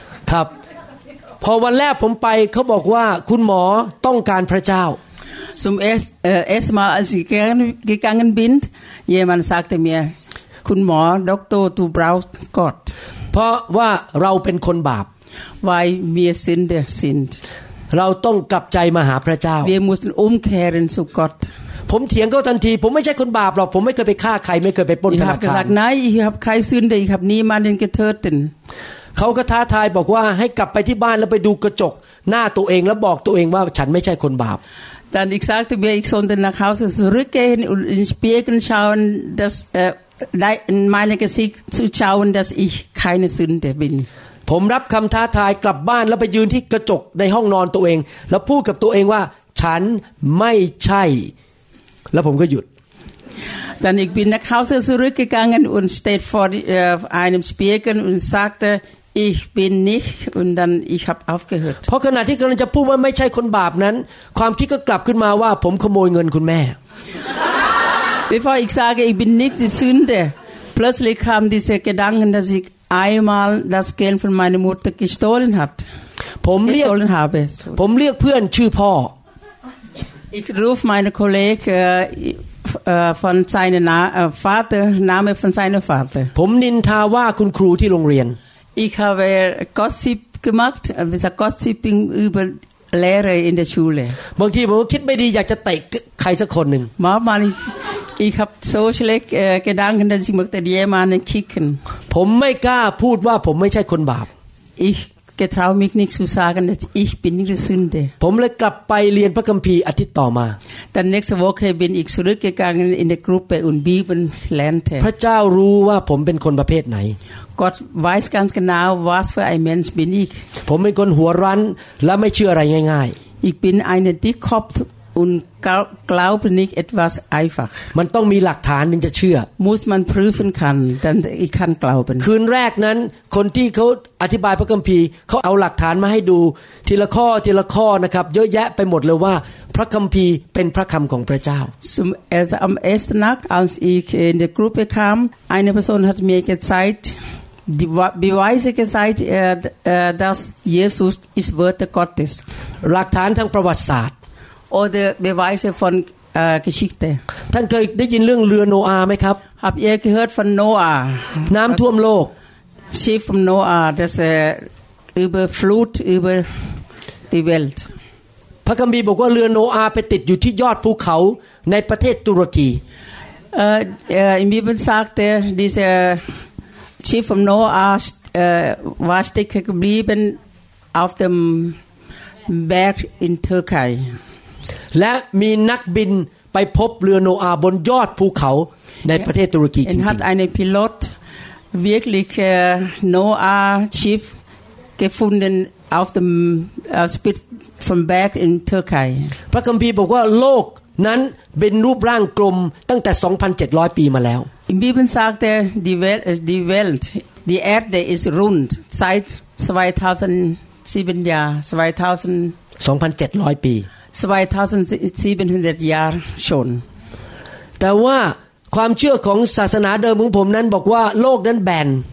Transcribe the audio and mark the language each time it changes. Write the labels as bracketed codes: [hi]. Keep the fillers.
[th] ครับ พอวันแรกผมไปเขาบอกว่าคุณหมอต้องการพระเจ้า [de] Zum erst, äh, ersten Mal, als ich gegangen- gegangen bin, jemand sagte mir, Kunmor, Doktor, du brauchst Gott, [th] เพราะว่าเราเป็นคนบาป [de] weil wir Sünder sind. [th] เราต้องกลับใจมาหาพระเจ้า [de] Wir mussten umkehren zu Gott. [th] ผมเถียงเขาทันที ผมไม่ใช่คนบาปหรอกผมไม่เคยไปฆ่าใครไม่เคยไปปล้น [de] Ich [th] ธนา [de] habe [th] คาร [de] gesagt, nein, ich habe keine Sünde, ich habe niemanden getötet. [th] เขาก็ท้าทายบอกว่าให้กลับไปที่บ้านแล้วไปดูกระจก หน้าตัวเองแล้วบอกตัวเองว่าฉันไม่ใช่คนบาป [de] Dann ich sagte mir, ich sollte nach Hause zurückgehen und in den Spiegel schauen, dass, äh, nein, in mein Gesicht zu schauen, dass ich keine Sünde bin. [th] ผมรับคำท้าทายกลับบ้านแล้วไปยืนที่กระจกในห้องนอนตัวเอง แล้วพูดกับตัวเองว่า ฉันไม่ใช่ แล้วผมก็หยุด [de] Dann ich bin nach Hause zurückgegangen und steht vor die- äh, einem Spiegel und sagte, ich bin nicht. Und dann ich habe aufgehört. [th] เพราะขณะที่กำลังจะพูดว่าไม่ใช่คนบาปนั้น ความคิดก็กลับขึ้นมาว่า ผมขโมยเงินคุณแม่ [de] Bevor ich sage, ich bin nicht die Sünde, plötzlich kam diese Gedanken, dass ich einmal das Geld von meiner Mutter gestohlen hat. [th] ผมเรียก [de] Gestohlen habe. [th] ผมเรียกเพื่อนชื่อพ่อ [de] Ich rufe meinen Kollegen äh, äh, von seinem Na äh, Vater, Name von seinem Vater. [th] ผมนินทาว่าคุณครูที่โรงเรียน [de] Ich habe Gossip gemacht, äh, wie gesagt, Gossiping über Lehrer in der Schule. [th] บางทีผมก็คิดไม่ดีอยากจะเตะใครสักคนหนึ่ง [de] Manchmal, ich, ich habe so schlecht äh, Gedanken, dass ich möchte jemanden kicken. [th] ผมไม่กล้าพูดว่าผมไม่ใช่คนบาป [de] Ich getraue mich nicht zu sagen, dass ich bin nicht die Sünde. [th] ผมเลยกลับไปเรียนพระคัมภีร์อาทิตย์ต่อมา [de] Dann nächste Woche bin ich zurückgegangen in die Gruppe und Bibel lernte. [th] พระเจ้ารู้ว่าผมเป็นคนประเภทไหน [de] Gott weiß ganz genau, was für ein Mensch bin ich. [th] ผมเป็นคนหัวรั้นและไม่เชื่ออะไรง่าย [de] Ich bin ein Dickkopf und gau- glaube nicht etwas einfach. [th] ๆ มันต้องมีหลักฐานถึงจะเชื่อ [de] Muss man prüfen kann, dann ich kann glauben. [th] คืนแรกนั้น คนที่เขาอธิบายพระคัมภีร์เขาเอาหลักฐานมาให้ดู ทีละข้อทีละข้อนะครับ เยอะแยะไปหมดเลยว่า พระคัมภีร์เป็นพระคำของพระเจ้า [de] Zum, also am ersten Nacht, als ich in die Gruppe kam, eine Person hat mir gezeigt, die Wa- Beweise gezeigt, äh, d- äh, dass Jesus ist Wörter Gottes [th] หลักฐานทางประวัติศาสตร์ [de] oder Beweise von äh, Geschichte. [th] ท่านเคยได้ยินเรื่องเรือโนอาห์ไหมครับ [de] Habt ihr gehört von Noah? [th] น้ำท่วมโลก [de] Schiff von Noah, das äh, über Flut über die Welt. [th] พระคัมภีร์บอกว่าเรือโนอาห์ไปติดอยู่ที่ยอดภูเขาในประเทศตุรกี [de] Äh, äh, Im Bibel sagt er, dieses Schiff von Noah st- äh, war stecken geblieben auf dem Berg in Türkei. [th] และมีนักบินไปพบเรือโนอาห์บนยอดภูเขาในประเทศตุรกีจริง [de] Er hat einen Pilot wirklich äh, Noah Schiff gefunden auf dem äh, Spitz vom Berg in Türkei. [th] ๆพระคัมภีร์บอกว่าโลก นั้นเป็นรูปร่างกลมตั้งแต่ 2,700 ปีมาแล้ว [de] Im Bibel sagt er, die Welt, äh, die Welt, die Erde ist rund seit 2007 Jahren, 2000, [th] 2,700 ปี [de] 2700 Jahren schon. [th] แต่ว่าความเชื่อของศาสนาเดิมของผมนั้นบอกว่าโลกนั้นแบน